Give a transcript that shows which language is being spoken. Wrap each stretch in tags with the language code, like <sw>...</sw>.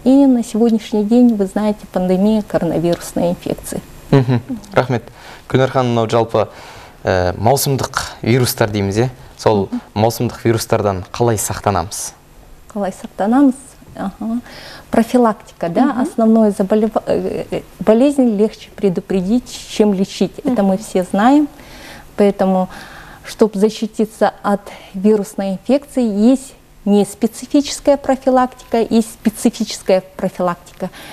<ru>И на сегодняшний день, вы знаете, пандемия коронавирусной инфекции.</ru> <kk>Рахмет. Гүлнәр ханым, мынау жалпы маусымдық вирустар дейміз, е? Сол маусымдық вирустардан қалай сақтанамыз? Қалай сақтанамыз? Профилактика, да?</kk> <ru>Основное заболевание, болезнь легче предупредить, чем лечить. Это мы все знаем. Поэтому, чтобы защититься от вирусной инфекции, есть неспецифическая профилактика, есть специфическая профилактика.</ru>